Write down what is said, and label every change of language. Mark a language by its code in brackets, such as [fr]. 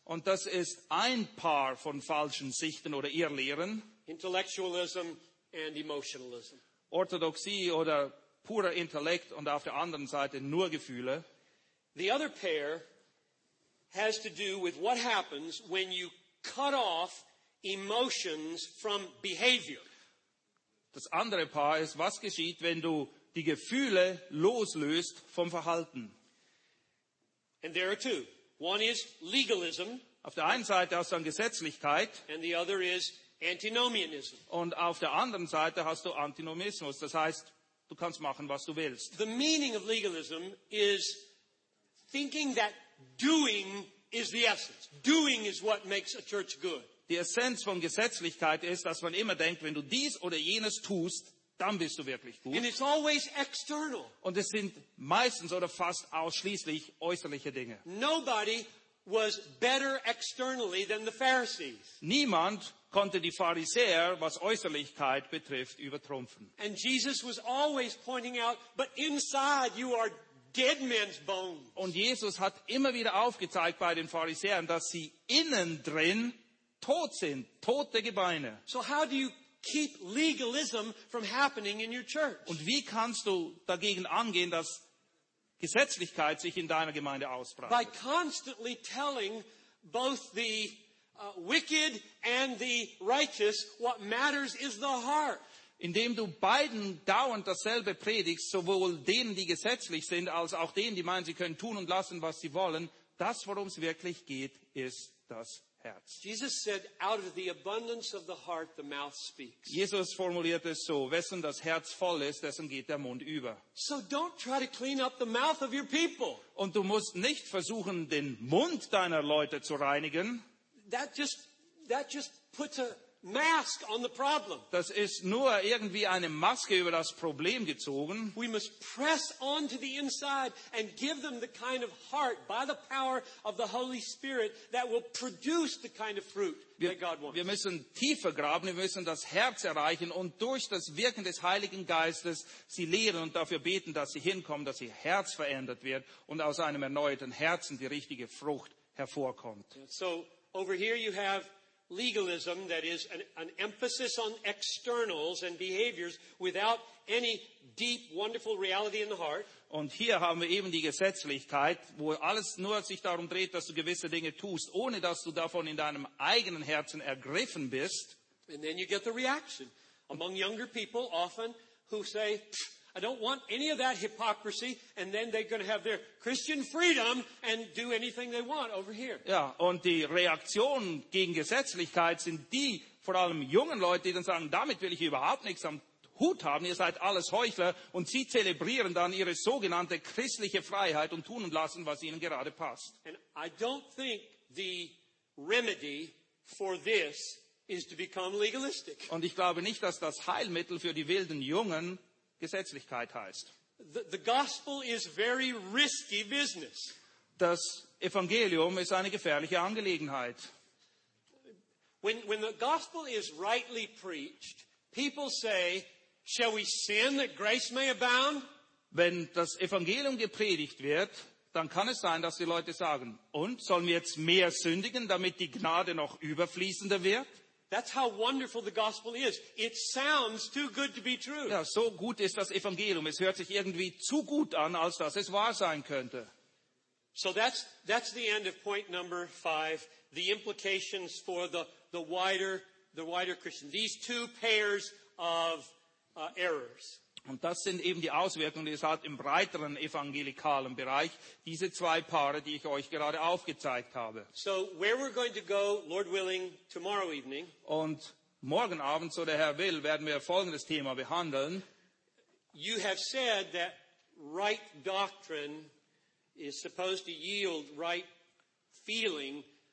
[de] Und das ist ein Paar von falschen Sichten oder Irrlehren. [en] Intellectualism and emotionalism. [de] Orthodoxie oder purer Intellekt und auf der anderen Seite nur Gefühle. [en] The other pair has to do with what happens when you cut off emotions from behavior. [de] Das andere Paar ist, was geschieht, wenn du die Gefühle loslöst vom Verhalten. [en] And there are two. One is legalism. [de] Auf der einen Seite hast du dann Gesetzlichkeit. [en] And the other is antinomianism. [de] Und auf der anderen Seite hast du Antinomismus. Das heißt, du kannst machen, was du willst. [en] The meaning of legalism is thinking that doing is the essence. Doing is what makes a church good. [de] Die Essenz von Gesetzlichkeit ist, dass man immer denkt, wenn du dies oder jenes tust, dann bist du wirklich gut. [en] And it's always external. [de] Und es sind meistens oder fast ausschließlich äußerliche Dinge. [en] Nobody was better externally than the Pharisees. [de] Niemand konnte die Pharisäer, was Äußerlichkeit betrifft, übertrumpfen. [en] And Jesus was always pointing out, but inside you are dead men's bones. [de] Und Jesus hat immer wieder aufgezeigt bei den Pharisäern, dass sie innen drin tot sind, tote Gebeine. [en] So how do you keep legalism from happening in your church? [de] Und wie kannst du dagegen angehen, dass Gesetzlichkeit sich in deiner Gemeinde ausbreitet? [en] By constantly telling both the wicked and the righteous what matters is the heart. [de] Indem du beiden dauernd dasselbe predigst, sowohl denen, die gesetzlich sind, als auch denen, die meinen, sie können tun und lassen, was sie wollen, das, worum es wirklich geht, ist das Herz. [en] Jesus said, out of the abundance of the heart, the mouth speaks. [de] Jesus formuliert es so, wessen das Herz voll ist, dessen geht der Mund über. [en] So don't try to clean up the mouth of your people. [de] Und du musst nicht versuchen, den Mund deiner Leute zu reinigen. [en] That just puts a mask on the problem. [de] Das ist nur irgendwie eine Maske über das Problem gezogen. [en] We must press on to the inside and give them the kind of heart by the power of the Holy Spirit that will produce the kind of fruit that God wants. [de] Wir müssen tiefer graben, wir müssen das Herz erreichen und durch das Wirken des Heiligen Geistes sie lehren und dafür beten, dass sie hinkommen, dass ihr Herz verändert wird und aus einem erneuerten Herzen die richtige Frucht hervorkommt. [en] So, over here you have legalism, that is an emphasis on externals and behaviors without any deep, wonderful reality in the heart. [de] Und hier haben wir eben die Gesetzlichkeit, wo alles nur sich darum dreht, dass du gewisse Dinge tust, ohne dass du davon in deinem eigenen Herzen ergriffen bist. [en] And then you get the reaction among younger people often who say, I don't want any of that hypocrisy, and then they're going to have their Christian freedom and do anything they want over here. [de] Ja, und die Reaktion gegen Gesetzlichkeit sind die vor allem jungen Leute, die dann sagen, damit will ich überhaupt nichts am Hut haben, ihr seid alles Heuchler, und sie zelebrieren dann ihre sogenannte christliche Freiheit und tun und lassen, was ihnen gerade passt. [en] And I don't think the remedy for this is to become legalistic. [de] Und ich glaube nicht, dass das Heilmittel für die wilden Jungen Gesetzlichkeit heißt. [en] The gospel is very risky business. [de] Das Evangelium ist eine gefährliche Angelegenheit. [en] When the gospel is rightly preached, people say, shall we sin that grace may abound? [de] Wenn das Evangelium gepredigt wird, dann kann es sein, dass die Leute sagen, und sollen wir jetzt mehr sündigen, damit die Gnade noch überfließender wird? [en] That's how wonderful the gospel is. It sounds too good to be true. [de] Ja, so gut ist das Evangelium. Es hört sich irgendwie zu gut an, als dass es wahr sein könnte. [en] So that's the end of point number 5, the implications for the wider Christian. These two pairs of errors. [de] Und das sind eben die Auswirkungen, die es hat im breiteren evangelikalen Bereich, diese zwei Paare, die ich euch gerade aufgezeigt habe. [en] So where we're going to go, Lord willing, tomorrow evening. [de] Und morgen Abend, so der Herr will, werden wir folgendes Thema behandeln. [en] You have said that right doctrine is supposed to yield right feeling.